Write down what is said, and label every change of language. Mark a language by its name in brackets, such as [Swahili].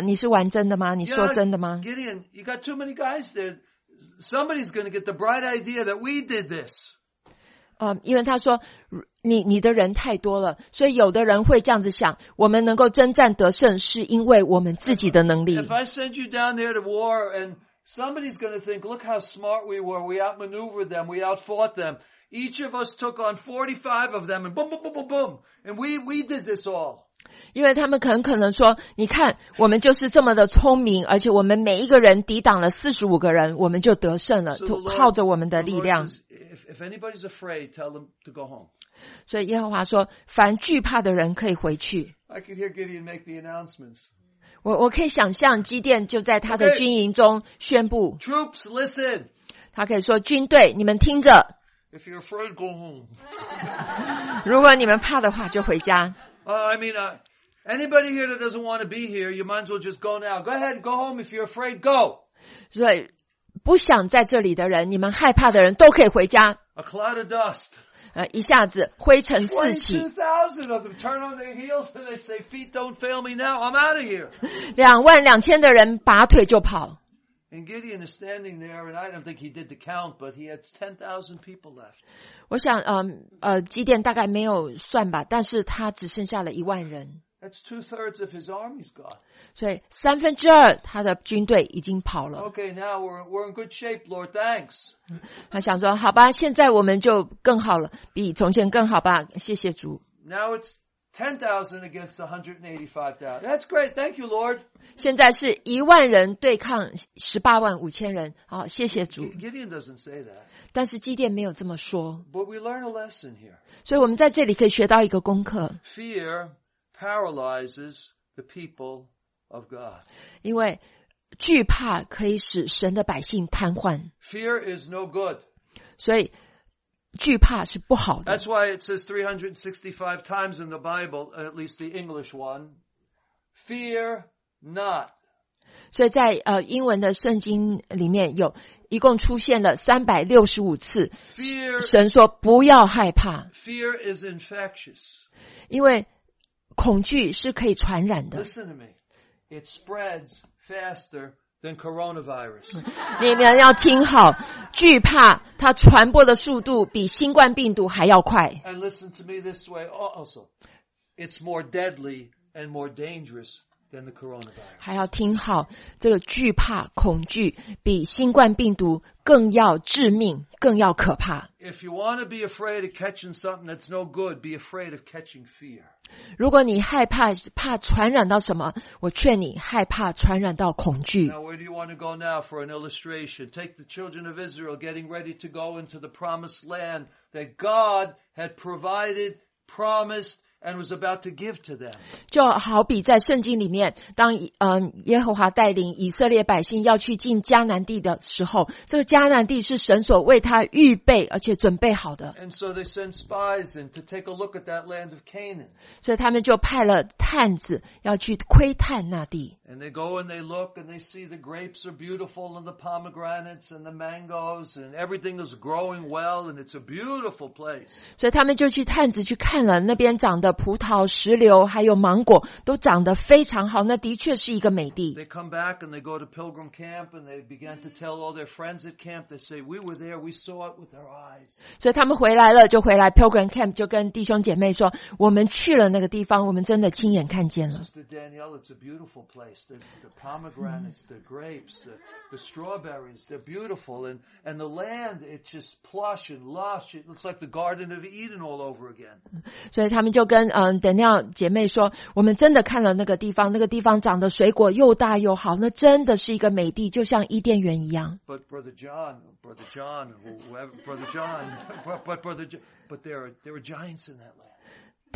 [Chinese] 你是玩真的吗？你说真的吗 [English] yeah, ？Gideon, you got too many guys there. Somebody's going to get the bright idea that we did this. [Chinese] 因为他说你的人太多了，所以有的人会这样子想：我们能够征战得胜，是因为我们自己的能力。 [English] If I send you down there to war, and somebody's going to think, look how smart we were. We outmaneuvered them. We outfought them. Each of us took on 45 of them, and boom, boom, boom, boom, boom, and we did this all. [Chinese] 因为他们可能说，你看，我们就是这么的聪明，而且我们每一个人抵挡了45个人，我们就得胜了，靠着我们的力量。 [English] If anybody's afraid, tell them to go home. [Chinese] 所以耶和华说，凡惧怕的人可以回去。 [English] I can hear Gideon make the announcements. [Chinese] 我可以想象基甸就在他的军营中宣布。 [English] Okay. Troops, listen. [Chinese] 他可以说，军队，你们听着。 [English] If you're afraid, go home. [Chinese] 如果你们怕的话，就回家。 [English] I mean, anybody here that doesn't want to be here, you might as well just go now. Go ahead, go home if you're afraid, go. [Chinese] 所以不想在这里的人，你们害怕的人都可以回家。 [English] A cloud of dust. [Chinese] 一下子灰尘四起。 [English] 22,000 of them turn on their heels and they say, feet don't fail me now, I'm out of here. [Chinese] 22,000的人拔腿就跑。 [English] And Gideon is standing there, and I don't think he did the count, but he had 10,000 people left. [Chinese] 我想，基甸大概没有算吧，但是他只剩下了10,000人。 [English] That's 2/3 of his army's gone. [Chinese] 所以2/3他的军队已经跑了。 [English] Okay, now we're in good shape, Lord. Thanks. [Chinese] 他想说，好吧，现在我们就更好了，比从前更好吧，谢谢主。 [English] Now it's 10,000 against 185,000. That's great. Thank you, Lord. [Chinese] 现在是10,000人对抗185,000人。好，谢谢主。 [English] Gideon doesn't say that. [Chinese] 但是基甸没有这么说。 [English] But we learn a lesson here. [Chinese] 所以我们在这里可以学到一个功课。 [English] Fear paralyzes the people of God. [Chinese] 因为惧怕可以使神的百姓瘫痪。 [English] Fear is no good. [Chinese] 所以惧怕是不好的。 [English] That's why it says 365 times in the Bible, at least the English one, fear not. [Chinese] 所以在英文的圣经里面有一共出现了365次。 [English] Fear, [Chinese] 神说不要害怕。 [English] Fear is infectious. [Chinese] 因为恐惧是可以传染的。 [English] Listen to me. It spreads faster. Than coronavirus. [Chinese] 你们要听好，惧怕它传播的速度比新冠病毒还要快。 [English] And listen to me this way also. It's more deadly and more dangerous than the coronavirus. [Chinese] 还要听好，这个惧怕恐惧比新冠病毒更要致命，更要可怕。 [English] If you want to be afraid of catching something that's no good, be afraid of catching fear. [Chinese] 如果你害怕怕传染到什么，我劝你害怕传染到恐惧。 [English] Now, where do you want to go now for an illustration? Take the children of Israel getting ready to go into the promised land that God had provided, promised, and was about to give to them. [Chinese] 就好比在圣经里面，当耶和华带领以色列百姓要去进迦南地的时候，这个迦南地是神所为他预备而且准备好的。 [English] And so they sent spies in to take a look at that land of Canaan. [Chinese] 所以他们就派了探子要去窥探那地。 [English] And they go and they look and they see the grapes are beautiful and the pomegranates and the mangoes and everything is growing well and it's a beautiful place. [Chinese] 所以他们就去探子去看了那边长的葡萄、石榴还有芒果都长得非常好，那的确是一个美地。 [English] They come back and they go to pilgrim camp and they began to tell all their friends at camp. They say, "We were there. We saw it with our eyes." [Chinese] 所以他们回来了，就回来 pilgrim camp， 就跟弟兄姐妹说，我们去了那个地方，我们真的亲眼看见了。 [English] Sister Danielle, it's a beautiful place. The pomegranates, the grapes, the strawberries, they're beautiful, and the land, it's just plush and lush. It looks like the Garden of Eden all over again. [Chinese] 所以他们就跟Danielle 姐妹说，我们真的看了那个地方，那个地方长的水果又大又好，那真的是一个美地，就像伊甸园一样。 [English] But Brother John, but there are giants in that land.